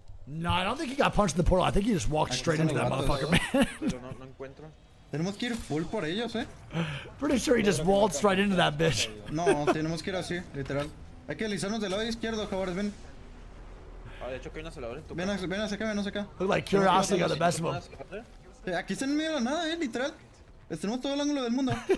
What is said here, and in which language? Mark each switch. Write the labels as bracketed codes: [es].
[en] No, I don't think he got punched in the portal. I think he just walked straight into that motherfucker, man. [es] Tenemos que ir full por ellos, eh? [en] Pretty sure he just waltzed right into that bitch. [es] No, tenemos que ir así, literal. Hay que alisarnos del lado izquierdo, Hogwarts, ven. [en] Look like curiosity got the best of them. [es] Aquí están en medio de la nada, literal. Tenemos todo el ángulo del mundo.